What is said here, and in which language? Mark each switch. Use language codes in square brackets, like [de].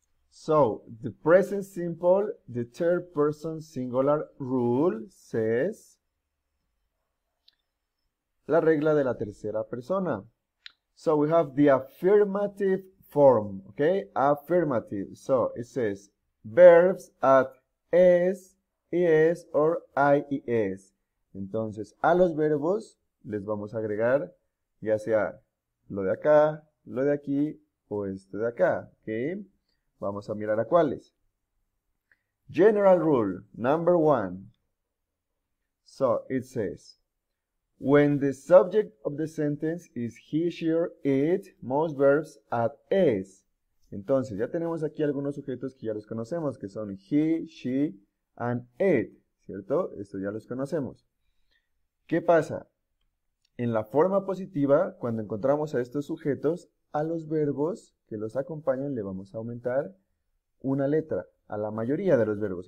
[en] So the present simple, the third person singular rule says [es] la regla de la tercera persona. [en] So we have the affirmative form, okay? Affirmative. So it says verbs at es, is, or ies. [es] Entonces, a los verbos les vamos a agregar ya sea lo de acá, lo de aquí o este de acá. ¿Okay? Vamos a mirar a cuáles. [en] General rule number one. So it says, when the subject of the sentence is he, she, or it, most verbs at es. [es] Entonces, ya tenemos aquí algunos sujetos que ya los conocemos, que son [en] he, she, and it, [es] ¿cierto? Esto ya los conocemos. ¿Qué pasa? En la forma positiva, cuando encontramos a estos sujetos, a los verbos que los acompañan le vamos a aumentar una letra, a la mayoría de los verbos.